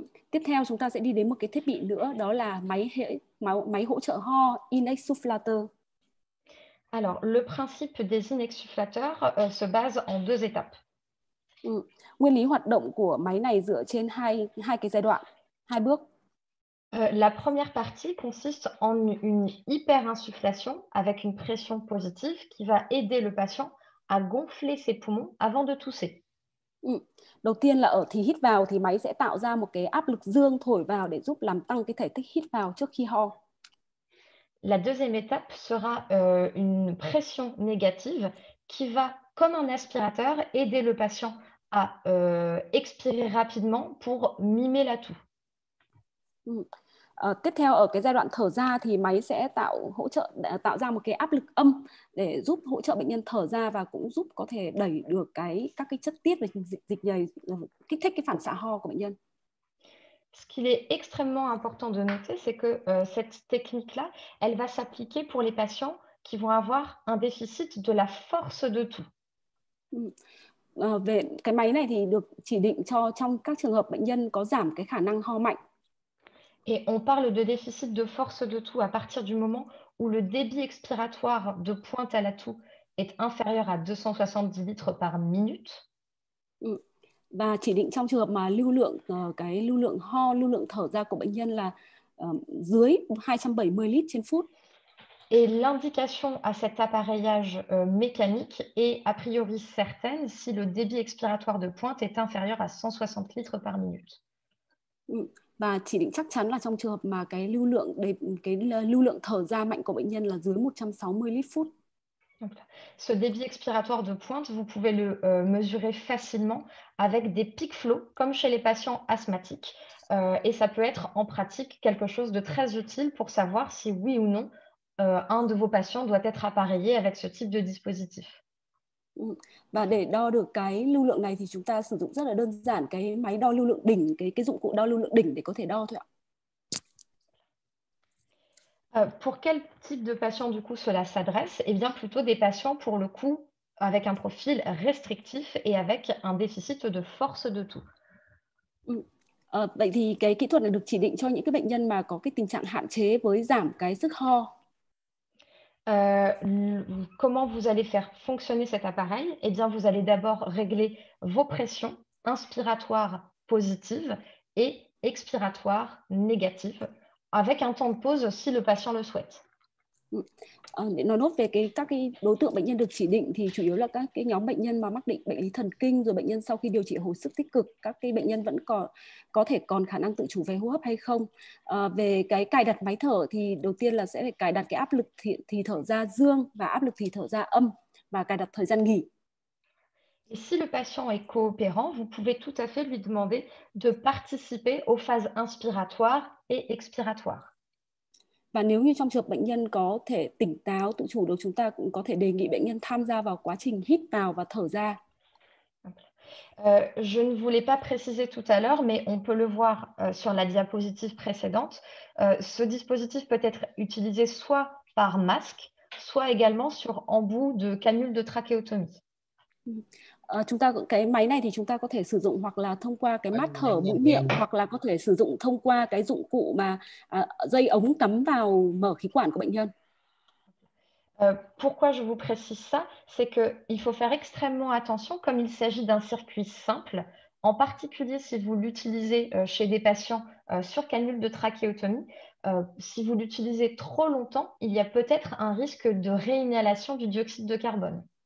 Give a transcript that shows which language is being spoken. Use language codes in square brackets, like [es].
[vi] Tiếp theo chúng ta sẽ đi đến một cái thiết bị nữa, đó là máy hỗ trợ ho in-exsufflateur. [fr] Alors, le principe des IN exsufflateurs se base en deux étapes. [vi] Nguyên lý hoạt động của máy này dựa trên hai cái giai đoạn, hai bước. [fr] La première partie consiste en une hyperinsufflation avec une pression positive qui va aider le patient à gonfler ses poumons avant de tousser. [vi] Đầu tiên là ở thì hít vào thì máy sẽ tạo ra một cái áp lực dương thổi vào để giúp làm tăng cái thể tích hít vào trước khi ho. [fr] La deuxième étape sera une pression négative qui va, comme un aspirateur, aider le patient à expirer rapidement pour mimer la toux. [vi] Tiếp theo ở cái giai đoạn thở ra thì máy sẽ tạo ra một cái áp lực âm để giúp hỗ trợ bệnh nhân thở ra và cũng giúp có thể đẩy được các cái chất tiết và dịch nhầy kích thích cái phản xạ ho của bệnh nhân. [fr] Ce qu'il est extrêmement important de noter, c'est que cette technique-là, elle va s'appliquer pour les patients qui vont avoir un déficit de la force de toux. [vi] Về cái máy này thì được chỉ định cho trong các trường hợp bệnh nhân có giảm cái khả năng ho mạnh. [fr] Et on parle de déficit de force de toux à partir du moment où le débit expiratoire de pointe à la toux est inférieur à 270 litres par minute. [vi] Và chỉ định trong trường hợp mà lưu lượng thở ra của bệnh nhân là dưới 270 lít trên phút. [fr] Et l'indication à cet appareillage mécanique est a priori certaine si le débit expiratoire de pointe est inférieur à 160 litres par minute. [vi] Và chỉ định chắc chắn là trong trường hợp mà cái lưu lượng thở ra mạnh của bệnh nhân là dưới 160 lít phút. [fr] Ce débit expiratoire de pointe, vous pouvez le mesurer facilement avec des peak flow, comme chez les patients asthmatiques. Et ça peut être en pratique quelque chose de très utile pour savoir si oui ou non. Un de vos patients doit être appareillé avec ce type de dispositif. [vi] Và để đo được cái lưu lượng này thì chúng ta sử dụng rất là đơn giản cái máy đo lưu lượng đỉnh, cái dụng cụ đo lưu lượng đỉnh để có thể đo thôi ạ. [fr] Pour quel type de patient du coup cela s'adresse? Eh bien plutôt des patients pour le coup avec un profil restrictif et avec un déficit de force de toux. [vi] Vậy thì cái kỹ thuật này được chỉ định cho những cái bệnh nhân mà có cái tình trạng hạn chế với giảm cái sức ho. [fr] Comment vous allez faire fonctionner cet appareil? Eh bien, vous allez d'abord régler vos pressions inspiratoires positives et expiratoires négatives avec un temps de pause si le patient le souhaite. [vi] Để nói nốt về các cái đối tượng bệnh nhân được chỉ định thì chủ yếu là các cái nhóm bệnh nhân mà mắc bệnh lý thần kinh, rồi bệnh nhân sau khi điều trị hồi sức tích cực, các cái bệnh nhân vẫn có thể còn khả năng tự chủ về hô hấp hay không. Về cái cài đặt máy thở thì đầu tiên là sẽ phải cài đặt cái áp lực thì thở ra dương và áp lực thì thở ra âm, và cài đặt thời gian nghỉ. [fr] Et si le patient est coopérant, vous pouvez tout à fait lui demander de participer aux phases inspiratoires et expiratoires. [vi] Và nếu như trong trường hợp bệnh nhân có thể tỉnh táo, tự chủ được, chúng ta cũng có thể đề nghị bệnh nhân tham gia vào quá trình hít vào và thở ra. [fr] Je ne voulais pas préciser tout à l'heure, mais on peut le voir sur la diapositive précédente. Ce dispositif peut être utilisé soit par masque, soit également sur embout de canule de trachéotomie. [vi] Cái máy này thì chúng ta có thể sử dụng hoặc là thông qua cái mắt thở mũi miệng, hoặc là có thể sử dụng thông qua cái dụng cụ mà dây ống cắm vào mở khí quản của bệnh nhân. [fr] Pourquoi je vous précise ça? C'est qu'il faut faire extrêmement attention, comme il s'agit d'un circuit simple, en particulier si vous l'utilisez chez des patients sur cannule de trachéotomie. Si vous l'utilisez trop longtemps, il y a peut-être un risque de réinhalation du dioxyde de carbone.